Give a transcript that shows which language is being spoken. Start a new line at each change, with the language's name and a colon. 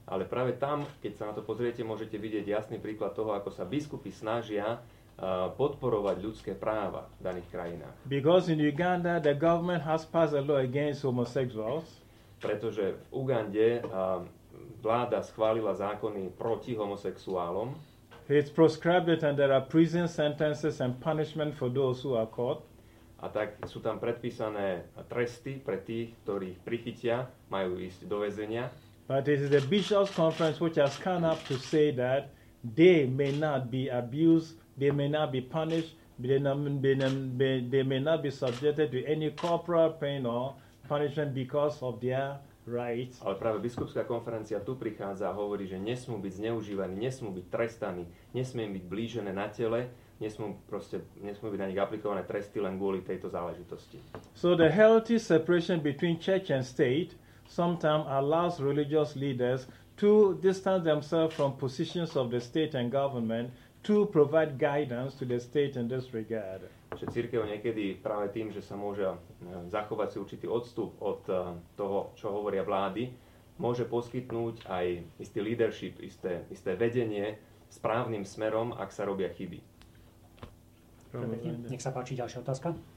Slovak: Ale práve tam, keď sa na to pozriete, môžete vidieť jasný príklad toho, ako sa biskupi snažia podporovať ľudské práva v daných krajinách.
English: Because in Uganda the government has passed a law against homosexuals.
Slovak: Pretože v Ugande vláda schválila zákony proti homosexuálom.
English: It's prescribed it and there are prison sentences and punishment for those who are caught.
Slovak: A tak sú tam predpísané tresty pre tých, ktorých prichytia, majú ísť do väzenia.
English: But it is the bishops' conference which has come up to say that they may not be abused, they may not be punished, they may not be subjected to any corporal pain or punishment because of their rights.
Slovak: Ale práve biskupská konferencia tu prichádza a hovorí, že nesmú byť zneužívaní, nesmú byť trestaní, nesmú byť blížené na tele, nesmú byť na nich aplikované tresty len kvôli tejto záležitosti.
English: So the healthy separation between church and state sometimes allows religious leaders to distance themselves from positions of the state and government to provide guidance to the state in this regard.
Slovak: Že cirkev niekedy práve tým, že sa môže zachovať si určitý odstup od toho, čo hovoria vlády, môže poskytnúť aj istý leadership, isté vedenie správnym smerom, ak sa robia chyby. Nech sa páči, ďalšia otázka.